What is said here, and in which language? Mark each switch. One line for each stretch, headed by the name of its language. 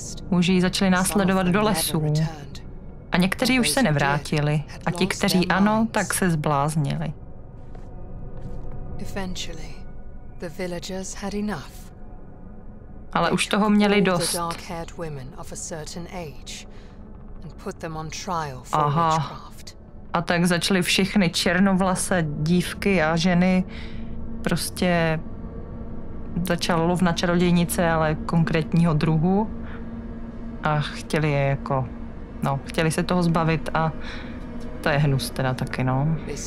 Czech: Muži ji začali následovat do lesů. A někteří už se nevrátili. A ti, kteří ano, tak se zbláznili.
English: Eventually, the villagers had enough.
Czech: Ale už toho měli dost.
English: They took all the dark-haired women of a certain age and put them on trial for witchcraft.
Czech: A tak začali všechny černovlasé dívky a ženy prostě začal lov na čarodějnice, ale konkrétního druhu. A chtěli je jako, no, chtěli se toho zbavit a to je hnus teda taky, no.